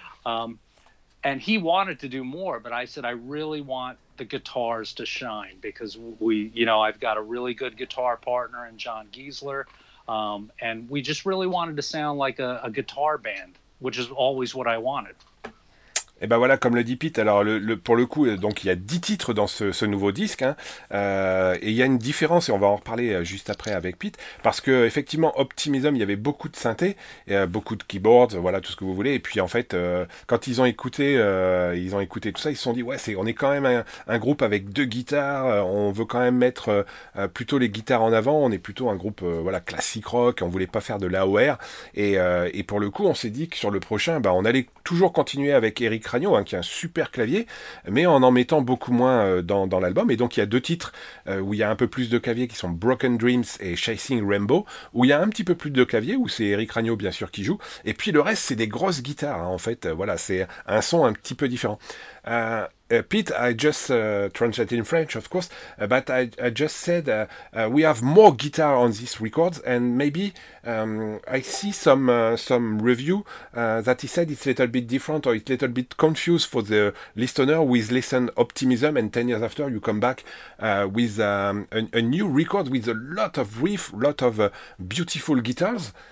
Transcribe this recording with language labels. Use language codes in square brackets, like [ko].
[en] And he wanted to do more, but I said, I really want the guitars to shine, because I've got a really good guitar partner in John Giesler, and we just really wanted to sound like a guitar band, which is always what I wanted. [fr] Et ben voilà, comme le dit Pete, alors pour le coup, donc il y a 10 titres dans ce nouveau disque, hein, et il y a une différence, et on va en reparler juste après avec Pete, parce que effectivement, Optimism, il y avait beaucoup de synthés, et, beaucoup de keyboards, voilà, tout ce que vous voulez, et puis en fait, quand ils ont écouté tout ça, ils se sont dit, ouais, on est quand même un groupe avec deux guitares, on veut quand même mettre plutôt les guitares en avant, on est plutôt un groupe classique rock, on voulait pas faire de l'AOR, et pour le coup, on s'est dit que sur le prochain, ben, on allait toujours continuer avec Eric Ragno, hein, qui est un super clavier, mais en mettant beaucoup moins dans l'album. Et donc il y a deux titres où il y a un peu plus de clavier, qui sont Broken Dreams et Chasing Rainbow, où il y a un petit peu plus de clavier, où c'est Eric Ragno bien sûr qui joue, et puis le reste c'est des grosses guitares, hein, en fait, voilà, c'est un son un petit peu différent. [en] Pete, I just translated in French, of course, but I just said we have more guitar on this record, and maybe I see some review that he said it's a little bit different, or it's a little bit confused for the listener with listen Optimism, and 10 years after you come back with a new record with a lot of riff, lot of beautiful guitars.